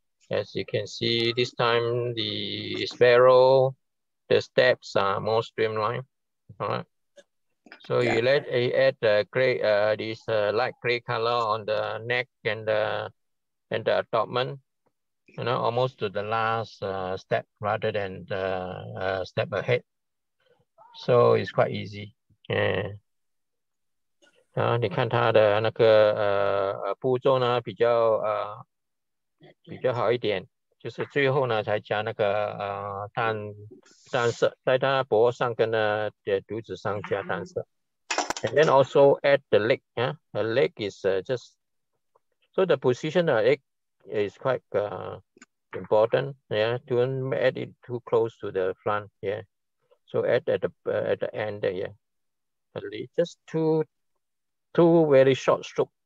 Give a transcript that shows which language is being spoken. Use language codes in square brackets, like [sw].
[en] As you can see, this time the sparrow, the steps are more streamlined. All right. So yeah. you add gray, this light gray color on the neck and the abdomen, you know, almost to the last step rather than the step ahead. So it's quite easy. Yeah. [zh] 你看它的那个步骤呢比较好一点，就是最后呢才加那个淡色，在它脖上跟呢的肚子上加淡色。 [en] And then also at the leg. Yeah, the leg is just so the position of the leg is quite important. Yeah, don't add it too close to the front. Yeah, so at the end there. Yeah, the leg, just two very short strokes.